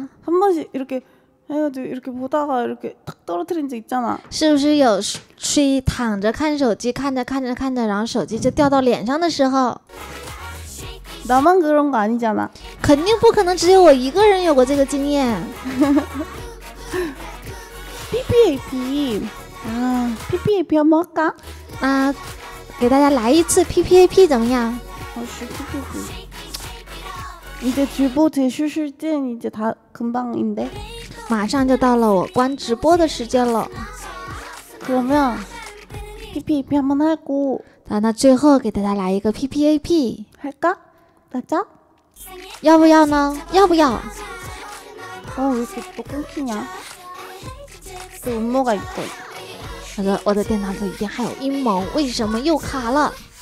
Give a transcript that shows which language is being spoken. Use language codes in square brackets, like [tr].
[ko] 한번씩이렇게해가지고이렇게보다가이렇게탁떨어뜨린적있잖아 [zh] 是不是有睡躺着看手机看着看着看着然后手机就掉到脸上的时候 [ko] 나만그런거아니잖아 [zh] 肯定不可能只有我一个人有过这个经验 [ko] PPAP 아 PPAP 한번할까 [zh] 아给大家来一次 PPAP 怎么样好是 PPAP 이제直播结束时间 [ko] 이제다금방인데 [zh] 马上就到了我关直播的时间了 [ko] 그러면 PPAP 한번하고 [zh] 자나最后给大家来一个 PPAP [ko] 할까나자 [zh] 要不要呢要不要 [ko] 어왜이렇게또끊기냐또음모가있고 [zh] 我的电脑里边还有阴谋，为什么又卡了？